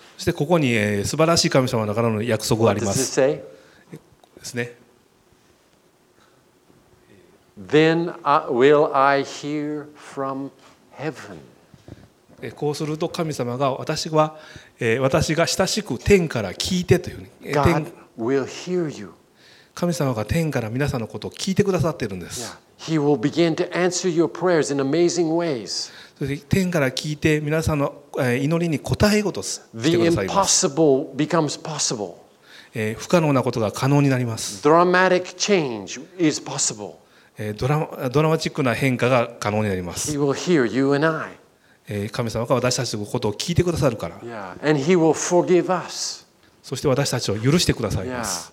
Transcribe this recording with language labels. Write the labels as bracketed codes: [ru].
[ja] そしてここに素晴らしい神様からの約束があります。 [en] What does it say? [ja] ですね。 [en] Then will I hear from heaven. [ja] こうすると神様が私が親しく天から聞いてというふうに。 [en] God will hear you. [ja] 神様が天から皆さんのことを聞いてくださっているんです。 [en] He will begin to answer your prayers in amazing ways. [ja] 天から聞いて皆さんの祈りに答えようとしてくださいます。 [en] The impossible becomes possible. [ja] 不可能なことが可能になります。 [en] Dramatic change is possible. [ja] ドラマチックな変化が可能になります。 [en] He will hear you and I. [ja] 神様が私たちのことを聞いてくださるから。 [en] Yeah. And he will forgive us. [ja] そして私たちを許してくださいます。